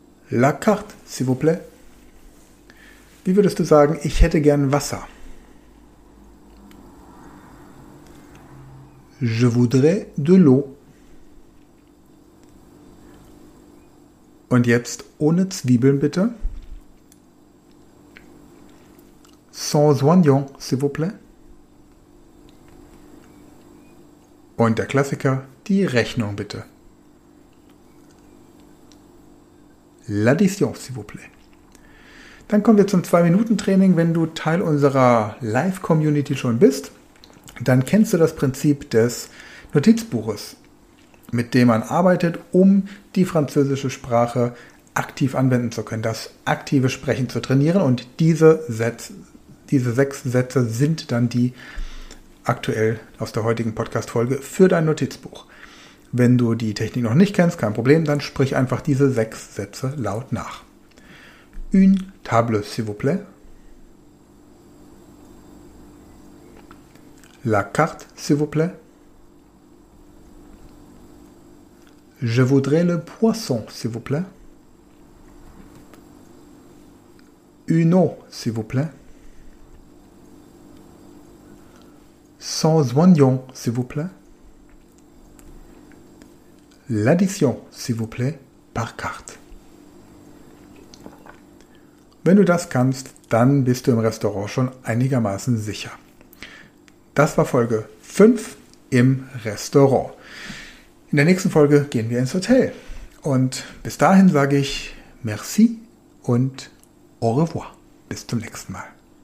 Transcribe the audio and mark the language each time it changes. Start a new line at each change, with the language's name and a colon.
French: La carte, s'il vous plaît.
German: Wie würdest du sagen, ich hätte gern Wasser?
French: Je voudrais de l'eau.
German: Und jetzt ohne Zwiebeln, bitte.
French: Sans oignon, s'il vous plaît.
German: Und der Klassiker, die Rechnung, bitte.
French: L'addition, s'il vous plaît.
German: Dann kommen wir zum 2-Minuten-Training. Wenn du Teil unserer Live-Community schon bist, dann kennst du das Prinzip des Notizbuches, mit dem man arbeitet, um die französische Sprache aktiv anwenden zu können, das aktive Sprechen zu trainieren. Und diese 6 Sätze sind dann die aktuell aus der heutigen Podcast-Folge für dein Notizbuch. Wenn du die Technik noch nicht kennst, kein Problem, dann sprich einfach diese 6 Sätze laut nach.
French: Une table, s'il vous plaît. La carte, s'il vous plaît. Je voudrais le poisson, s'il vous plaît. Une eau, s'il vous plaît. Sans oignon, s'il vous plaît. L'addition, s'il vous plaît, par carte.
German: Wenn du das kannst, dann bist du im Restaurant schon einigermaßen sicher. Das war Folge 5 im Restaurant. In der nächsten Folge gehen wir ins Hotel. Und bis dahin sage ich
French: merci und au revoir.
German: Bis zum nächsten Mal.